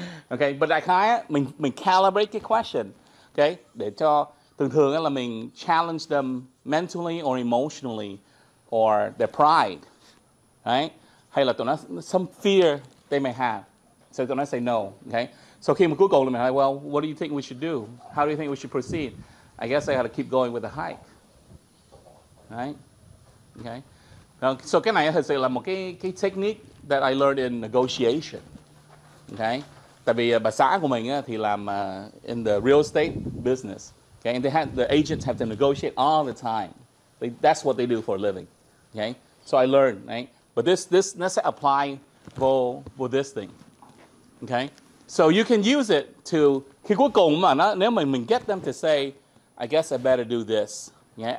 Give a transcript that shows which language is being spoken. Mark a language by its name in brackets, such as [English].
[English] Okay, but [Vietnamese] đại khái mình [English] calibrate [Vietnamese] cái [English] question, okay, [Vietnamese] để cho thường thường là mình [English] challenge them mentally or emotionally or their pride, right? [Vietnamese] Hay là tụi nó [English] some fear they may have, so [Vietnamese] tụi nó [English] say no, okay? So [Vietnamese] khi mà cuối cùng là mình hỏi, [English] well, what do you think we should do? How do you think we should proceed? I guess I gotta keep going with the hike, right? Okay. So [Vietnamese] cái này thật sự là một cái [English] technique that I learned in negotiation, okay? [Vietnamese] Tại vì bà xã của mình thì làm [English] in the real estate business, okay? And the agents have to negotiate all the time. That's what they do for a living, okay? So I learned, right? But this [Vietnamese] sẽ [English] apply for this thing, okay? So you can use it to, [Vietnamese] khi cuối cùng mà nếu mà mình [English] get them to say, I guess I better do this, yeah?